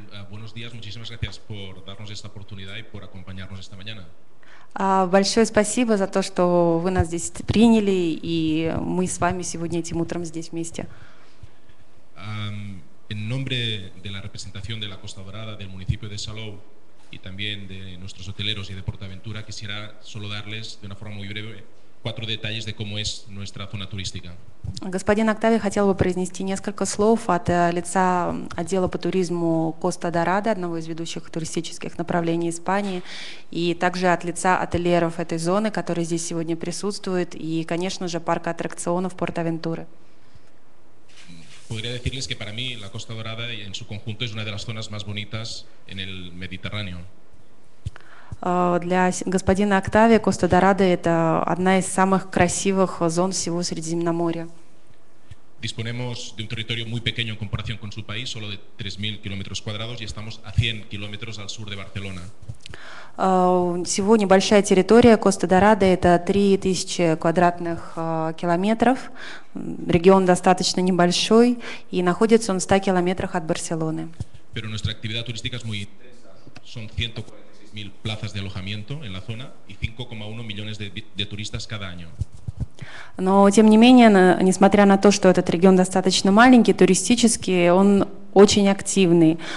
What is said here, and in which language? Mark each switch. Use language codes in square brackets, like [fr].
[es] Buenos días, muchísimas gracias por darnos esta oportunidad y por acompañarnos esta mañana. [ru] Большое спасибо за то, что вы нас здесь приняли, и мы с вами сегодня этим утром здесь вместе. [es] En nombre de la representación de la Costa Dorada, del municipio de Salou y también de nuestros hoteleros y de Portaventura, quisiera solo darles de una forma muy breve cuatro detalles de cómo es nuestra zona turística. [ru] Господин Октави хотел бы произнести несколько слов от лица отдела по туризму Коста Дорадо, одного из ведущих туристических направлений Испании, и также от лица отельеров этой зоны, которые здесь сегодня присутствуют, и, конечно же, парка аттракционов Портавентуры. [es] Podría decirles que para mí la Costa Dorada en su conjunto es una de las zonas más bonitas en el Mediterráneo. [ru] Для господина Октави Коста Дорадо это одна из самых красивых зон всего Средиземноморья. [es] Disponemos de un territorio muy pequeño en comparación con su país, solo de 3.000 kilómetros cuadrados, y estamos a 100 kilómetros al sur de Barcelona. [ru] Всего небольшая территория Коста Дорадо это 3000 квадратных километров. Регион достаточно небольшой и находится он в 100 километрах от Барселоны. [es] Pero nuestra actividad turística es muy intensa. Son 146.000 plazas de alojamiento en la zona y 5,1 millones de turistas cada año. [ru] Но, тем не менее, несмотря на то, что этот регион достаточно маленький, туристический, он очень активный.